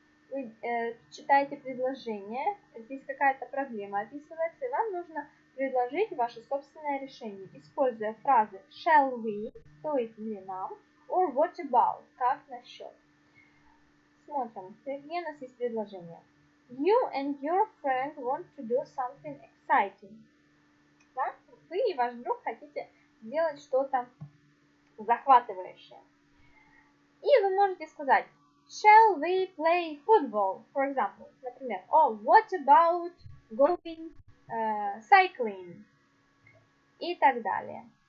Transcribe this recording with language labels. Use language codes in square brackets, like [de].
[ru] Вы читаете предложение. Здесь какая-то проблема описывается. И вам нужно предложить ваше собственное решение, используя фразы [en] shall we, [ru] то есть ли нам, [en] or what about, [ru] как насчет. Смотрим, где у нас есть предложение. [en] You and your friend want to do something exciting. [ru] Да? Вы и ваш друг хотите сделать что-то захватывающее. И вы можете сказать, [en] shall we play football, for example. [ru] Например, [en] oh, what about going cycling? [ru] И так далее.